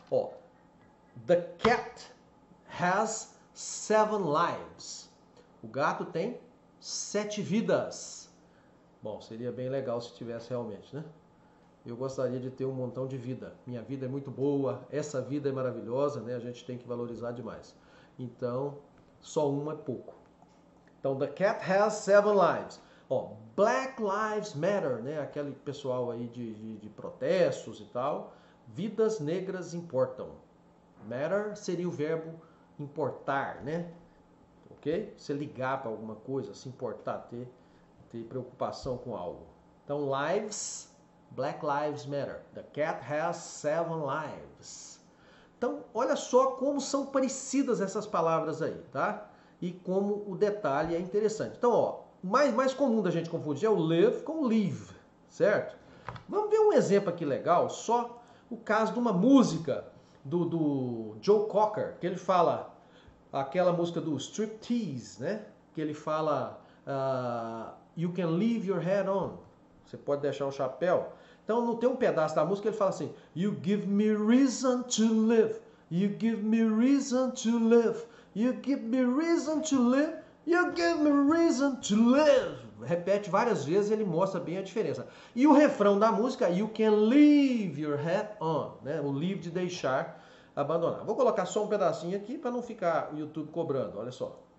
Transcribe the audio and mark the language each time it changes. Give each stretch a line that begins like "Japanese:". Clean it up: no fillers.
English: Ó. The cat has seven lives.
Portuguese: O gato tem sete vidas. Bom, seria bem legal se tivesse realmente, né? Eu gostaria de ter um montão de vida. Minha vida é muito boa, essa vida é maravilhosa, né? A gente tem que valorizar demais. Então, só uma é pouco.
English: Então, the cat has seven lives.
Portuguese: Ó, Black Lives Matter, né? Aquele pessoal aí de protestos e tal. Vidas negras importam. Matter seria o verbo importar, né? Ok? Se ligar para alguma coisa, se importar, ter preocupação com algo.
English: Então, lives, Black Lives Matter. The cat has seven lives.
Portuguese: Então, olha só como são parecidas essas palavras aí, tá? E como o detalhe é interessante. Então, ó, o mais comum da gente confundir é o live com live, certo? Vamos ver um exemplo aqui legal, só o caso de uma música do Joe Cocker, que ele fala, aquela música do Striptease, né? Que ele fala...
English: You can leave your hat on.
Portuguese: Você pode deixar o chapéu. Então, não tem um pedaço da música que ele fala assim.
English: You give me reason to live. You give me reason to live. You give me reason to live. You give me reason to live.
Portuguese: Repete várias vezes e ele mostra bem a diferença. E o refrão da música.
English: You can leave your hat on.
Portuguese: Né? O leave de deixar, abandonar. Vou colocar só um pedacinho aqui para não ficar o YouTube cobrando. Olha só.